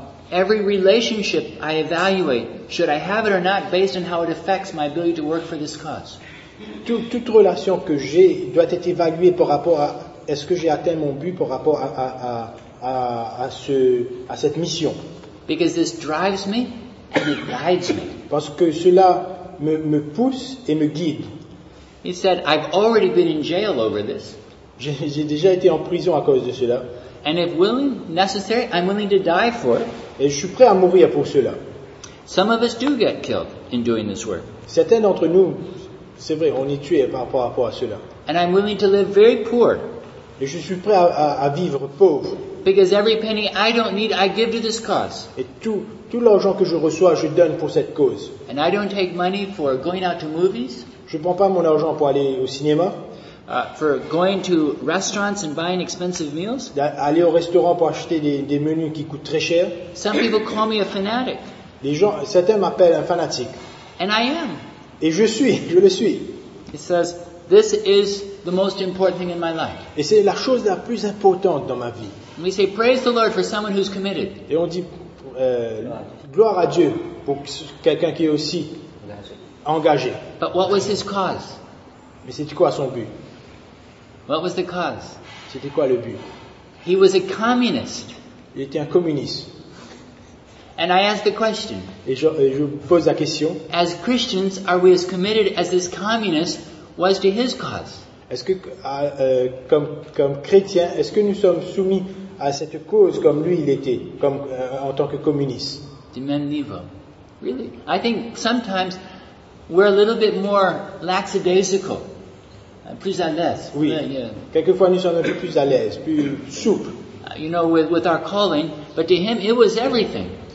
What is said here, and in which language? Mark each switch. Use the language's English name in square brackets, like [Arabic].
[English] Every relationship I evaluate, should I have it or not, based on how it affects my ability to work for this cause. [French] Toute relation que j'ai doit être évaluée par rapport à est-ce que j'ai atteint mon but par rapport à cette mission. [English] Because this drives me and it guides me. [French] Parce que cela me pousse et me guide. [English] He said, I've already been in jail over this. [French] J'ai déjà été en prison à cause de cela. [English] And if willing, necessary, I'm willing to die for it. [French] Et je suis prêt à mourir pour cela. [English] Some of us do get killed in doing this work. [French] Certains d'entre nous, c'est vrai, on est tué par rapport à cela. [English] And I'm willing to live very poor. [French] Et je suis prêt à vivre pauvre. [English] Because every penny I don't need, I give to this cause. [French] Et tout l'argent que je reçois, je donne pour cette cause. [English] And I don't take money for going out to movies. [French] Je prends pas mon argent pour aller au cinéma. [English] For going to restaurants and buying expensive meals. [French] D'aller au restaurant pour acheter des menus qui coûtent très cher. [English] Some people call me a fanatic. [French] Certains m'appellent un fanatique. [English] And I am. [French] Et je le suis. [English] It says, this is the most important thing in my life. [French] Et c'est la chose la plus importante dans ma vie. [English] And we say, praise the Lord for someone who's committed. [French] Et on dit, gloire à Dieu pour quelqu'un qui est aussi engagé. [English] But what was his cause? [French] Mais c'était quoi son but? [English] What was the cause? [French] C'était quoi le but? [English] He was a communist. [French] Il était un communiste. [English] And I ask the question. [French] Et je pose la question. [English] As Christians, are we as committed as this communist was to his cause? [French] Est-ce que comme chrétien, est-ce que nous sommes soumis à cette cause comme lui il était, comme en tant que communiste? Du même niveau. [English] Really? I think sometimes we're a little bit more lackadaisical, [French] plus à l'aise. Oui. Quelquefois nous sommes un peu plus à l'aise, plus souple. [English] You know, with our calling, but to him it was everything.